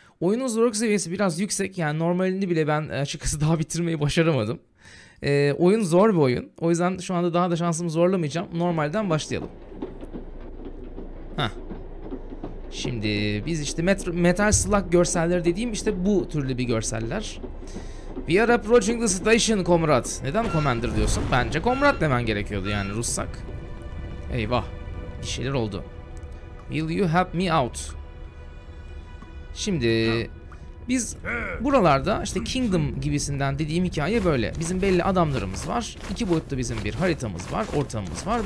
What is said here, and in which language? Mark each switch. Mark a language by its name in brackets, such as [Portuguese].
[Turkish] Oyunun zorluk seviyesi biraz yüksek. Yani normalini bile ben açıkçası daha bitirmeyi başaramadım. Oyun zor bir oyun. O yüzden şu anda daha da şansımı zorlamayacağım. Normalden başlayalım. Şimdi biz işte Metal Slug görselleri dediğim işte bu türlü bir görseller. [English] We are approaching the station, comrade. [Turkish] Neden commander diyorsun? Bence comrade demen gerekiyordu yani Russak. Eyvah. Bir şeyler oldu. [English] Will you help me out? [Turkish] Şimdi biz buralarda işte Kingdom gibisinden dediğim hikaye böyle. Bizim belli adamlarımız var. İki boyutlu bizim bir haritamız var, ortamımız var.